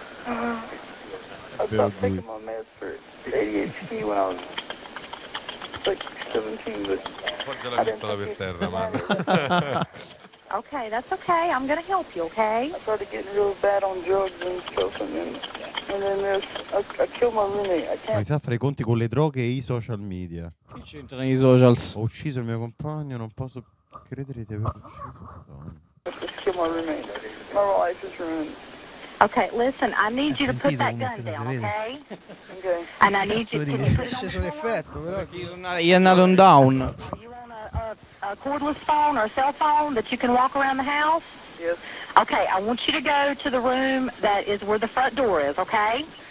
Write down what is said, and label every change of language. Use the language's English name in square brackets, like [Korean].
[English] I stopped taking my meds for ADHD when I was like 17, but [Italian] poggia la pistola per terra, man. [English] Okay, that's okay. I'm gonna help you, okay? I started getting real bad on drugs and stuff, and then I killed my roommate. [Italian] Ma mi sa fare i conti con le droghe e i social media. Chi c'entra nei socials? Ho ucciso il mio compagno, non posso credere di aver ucciso. [English] I killed my roommate. My life is ruined. Okay, listen, I need you to put that gun down, okay? Okay. And I need you to put it on the floor. He is not on down. Do you want a cordless phone or a cell phone that you can walk around the house? Yes. Okay, I want you to go to the room that is where the front door is, okay?